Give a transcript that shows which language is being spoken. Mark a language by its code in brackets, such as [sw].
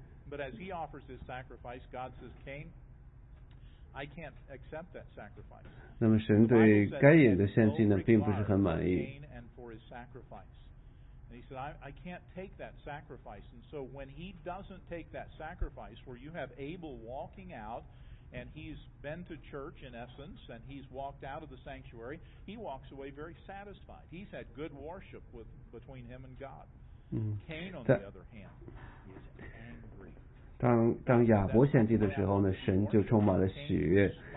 [en] But as he offers his sacrifice, God says, Cain, I can't accept that sacrifice. [zh] 那么神对该隐的献祭呢，并不是很满意。 [en] And for his sacrifice, and he said, I can't take that sacrifice. And so when he doesn't take that sacrifice, where you have Abel walking out. And he's been to church in essence, and he's walked out of the sanctuary. He walks away very satisfied. He's had good worship with between him and God. Cain, on the other hand, is angry. [zh] 当亚伯献祭的时候呢，神就充满了喜悦。